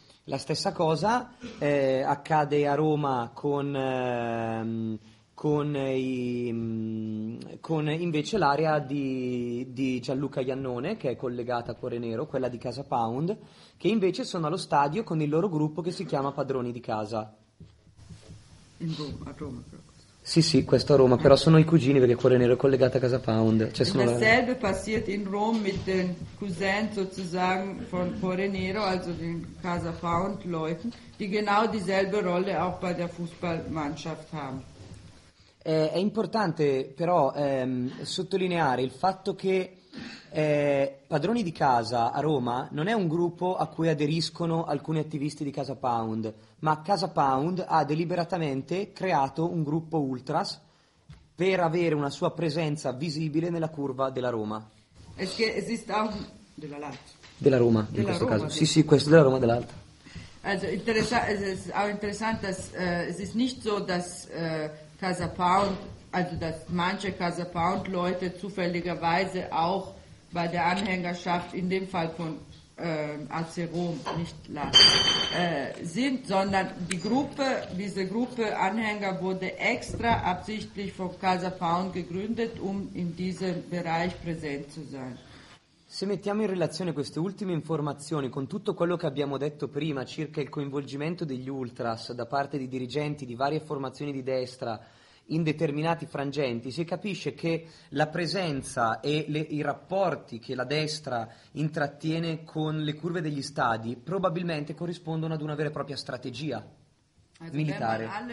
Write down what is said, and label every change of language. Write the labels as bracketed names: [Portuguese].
[Italian] La stessa cosa accade a Roma con invece l'area di Gianluca Iannone, che è collegata a Cuore Nero, quella di Casa Pound, che invece sono allo stadio con il loro gruppo che si chiama Padroni di Casa. In Roma, a Roma però. Sì, questo a Roma, però sono i cugini, perché Cuore Nero è collegata a Casa Pound. Cioè sono la [German] selbe passiert in Roma mit den Cousin sozusagen von Cuore Nero, also den Casa Pound Leuten, die genau dieselbe Rolle auch bei der Fußballmannschaft haben. [Italian] È importante però sottolineare il fatto che Padroni di Casa a Roma non è un gruppo a cui aderiscono alcuni attivisti di Casa Pound, ma Casa Pound ha deliberatamente creato un gruppo ultras per avere una sua presenza visibile nella curva della Roma. Es che esiste anche della Lazio. Della Roma, in questo caso. Sì, sì, questo della Roma dell'altra. [German] Also interessante, es ist auch interessant, dass es ist nicht so, dass Casa Pound, also dass manche Casa Pound Leute zufälligerweise auch bei der Anhängerschaft, in dem Fall von AC Rom, nicht Lazio, sind, sondern die Gruppe, diese Gruppe Anhänger wurde extra absichtlich von Casa Pound gegründet, um in diesem Bereich präsent zu sein. [Italian] Se mettiamo in relazione queste ultime informazioni con tutto quello che abbiamo detto prima circa il coinvolgimento degli ultras da parte di dirigenti di varie formazioni di destra in determinati frangenti, si capisce che la presenza e i rapporti che la destra intrattiene con le curve degli stadi probabilmente corrispondono ad una vera e propria strategia militare.